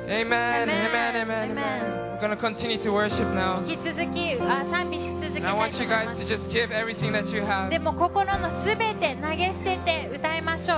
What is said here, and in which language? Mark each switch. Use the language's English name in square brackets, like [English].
[English] Amen. Amen. Amen. Amen. Amen. We're going to continue to worship now. [Japanese] 引き続き賛美し続けたい。 [English] I want you guys to just give everything that you have. [Japanese] でも心のすべて投げ捨てて歌いましょう。